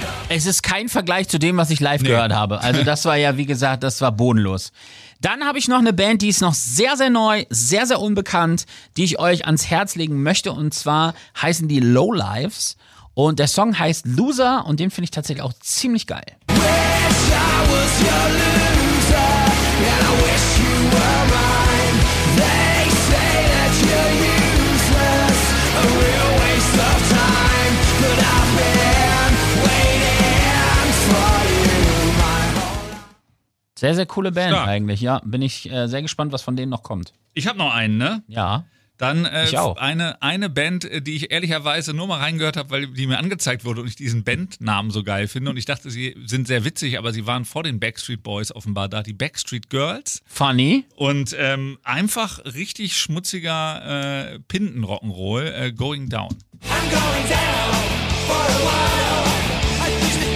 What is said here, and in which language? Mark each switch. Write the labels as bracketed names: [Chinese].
[German] es ist kein Vergleich zu dem, was ich live gehört habe. Also das war ja, wie gesagt, das war bodenlos. Dann habe ich noch eine Band, die ist noch sehr, sehr neu, sehr, sehr unbekannt, die ich euch ans Herz legen möchte. Und zwar heißen die Low Lives. Und der Song heißt Loser und den finde ich tatsächlich auch ziemlich geil. [English] Wish I was your loser, and I wish you were mine. They say that you're useless, a real waste of time. But I've been waiting for you, my whole. [German] Sehr, sehr coole Band eigentlich, ja. Bin ich sehr gespannt, was von denen noch kommt. Ich habe noch einen, ne? Ja. Dann eine Band, die ich ehrlicherweise nur mal reingehört habe, weil die mir angezeigt wurde und ich diesen Bandnamen so geil finde. Und ich dachte, sie sind sehr witzig, aber sie waren vor den Backstreet Boys offenbar da. Die Backstreet Girls. [English] Funny. [German] Und einfach richtig schmutziger Pinden-Rock'n'Roll. [English] Going Down. I'm going down for a while.